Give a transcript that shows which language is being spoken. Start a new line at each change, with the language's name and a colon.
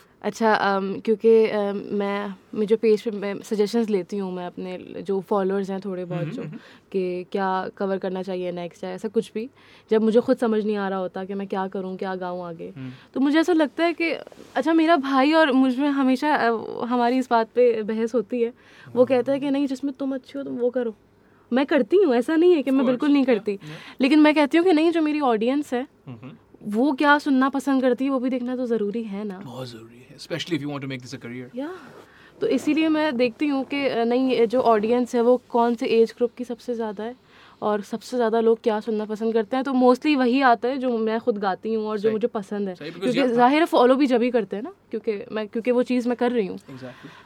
Hindi: अच्छा क्योंकि मैं जो पेज पे मैं सजेशंस लेती हूँ मैं अपने जो फॉलोअर्स हैं थोड़े बहुत जो कि क्या कवर करना चाहिए नेक्स्ट या ऐसा कुछ भी, जब मुझे खुद समझ नहीं आ रहा होता कि मैं क्या करूँ क्या गाऊँ आगे, तो मुझे ऐसा लगता है कि अच्छा मेरा भाई और मुझ में हमेशा हमारी इस बात पे बहस होती है. वो कहता है कि नहीं जिसमें तुम अच्छी हो तुम वो करो. मैं करती हूँ, ऐसा नहीं है कि मैं बिल्कुल नहीं करती, लेकिन मैं कहती हूँ कि नहीं जो मेरी ऑडियंस है वो क्या सुनना पसंद करती है वो भी देखना तो ज़रूरी है ना. बहुत ज़रूरी है,
English: especially if you want to make this a career. Yeah.
Hindi: तो इसीलिए मैं देखती हूँ कि नहीं जो ऑडियंस है वो कौन से एज ग्रुप की सबसे ज़्यादा है और सबसे ज़्यादा लोग क्या सुनना पसंद करते हैं, तो मोस्टली वही आता है जो मैं खुद गाती हूँ और जो मुझे पसंद है. क्योंकि ज़ाहिर फॉलो भी जब ही करते हैं ना, क्योंकि वो चीज़ मैं कर रही हूँ.
English: Exactly.